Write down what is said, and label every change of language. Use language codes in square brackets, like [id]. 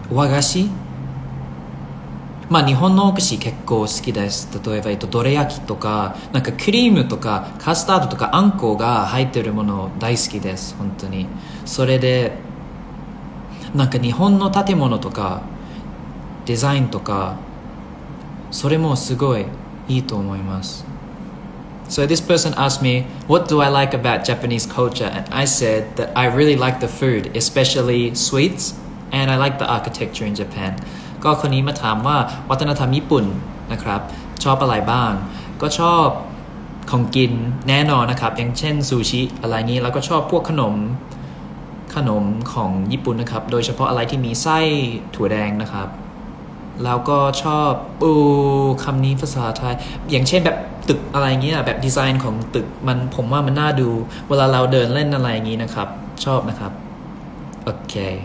[ja] 菓子まあ日本のお菓子結構好きです例えばどら焼きとかなんかクリームとかカスタードとかあんこが入ってるもの大好きです本当にそれでなんか日本の建物とかデザインとかそれもすごいいいと思います [en] So this person asked me, what do I like about Japanese culture? And I said that I really like the food, especially sweets, and I like the architecture in Japan. [th] ก็คนนี้มาถามว่าวัฒนธรรมญี่ปุ่นนะครับชอบอะไรบ้างก็ชอบของกินแน่นอนนะครับอย่างเช่นซูชิอะไรงี้แล้วก็ชอบพวกขนมของญี่ปุ่นนะครับโดยเฉพาะอะไรที่มีไส้ถั่วแดงนะครับแล้วก็ชอบโอ้คำนี้ภาษาไทยอย่างเช่นแบบตึกอะไรเงี้ยแบบดีไซน์ของตึกมันผมว่ามันน่าดูเวลาเราเดินเล่นอะไรอย่างงี้นะครับชอบนะครับโอเค